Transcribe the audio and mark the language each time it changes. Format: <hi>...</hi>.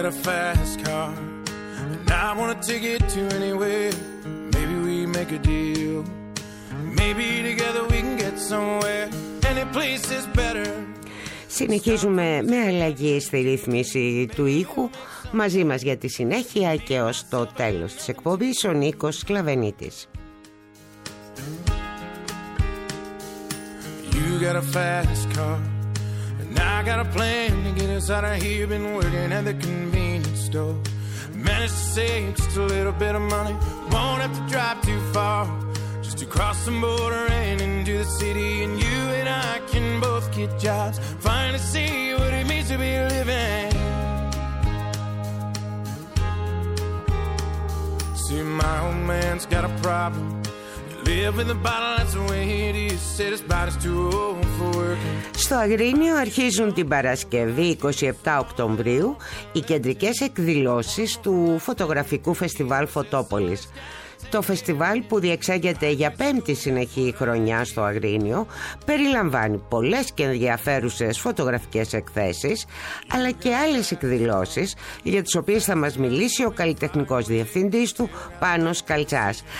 <en>fast car, and I want a ticket to anywhere. Maybe we make a deal. Maybe together we can get somewhere. Any place is better.</en> <el>Συνεχίζουμε με αλλαγή στη ρύθμιση του ήχου. Μαζί μας για τη συνέχεια και ως το τέλος της εκπομπής ο Νίκος Σκλαβενίτης.</el> <en>You got a fast car, and I got a plan to get us out of here. Been working at the convenience store, managed to save just a little bit of money. Won't have to drive too far, just across the border and into the city. And you and I can both get jobs, finally see what it means to be living. See, my old man's got a problem. You live in the bottle, that's the way it is. Said his body's too old for working.</en> <el>Στο Αγρίνιο αρχίζουν την Παρασκευή 27 Οκτωβρίου οι κεντρικές εκδηλώσεις του φωτογραφικού φεστιβάλ Φωτόπολης. Το φεστιβάλ που διεξάγεται για πέμπτη συνεχή χρονιά στο Αγρίνιο περιλαμβάνει πολλές και ενδιαφέρουσες φωτογραφικές εκθέσεις αλλά και άλλες εκδηλώσεις για τις οποίες θα μας μιλήσει ο καλλιτεχνικός διευθυντής του Πάνος Καλτσάς.</el>